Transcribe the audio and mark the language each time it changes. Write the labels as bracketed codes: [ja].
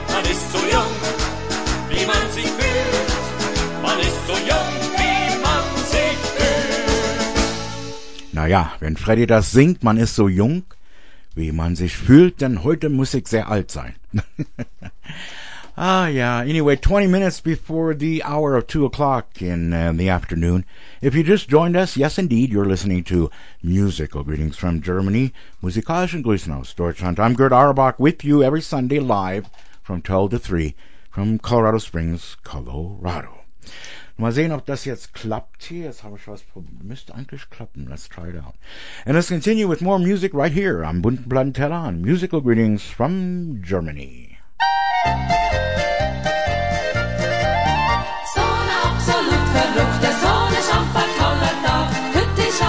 [de] Man ist so jung, wie man sich fühlt. Man ist so jung, wie man sich fühlt. Naja, wenn Freddy das singt, man ist so jung, wie man sich fühlt, denn heute muss ich sehr alt sein. [en] Anyway, 20 minutes before the hour of 2 o'clock in the afternoon. If you just joined us, yes indeed, you're listening to Musical Greetings from Germany. Musikalischen Grüßen aus Deutschland. I'm Gerd Auerbach with you every Sunday live from 12 to 3 from Colorado Springs, Colorado. [de] Mal sehen, ob das jetzt klappt hier. Jetzt habe ich was probiert. Müsste eigentlich klappen. Let's try it out. [en] And let's continue with more music right here on Bunten Plantella on Musical Greetings from Germany. [de] Sonne absolut verrückt, der Sonne schampert toller Tag. Hütte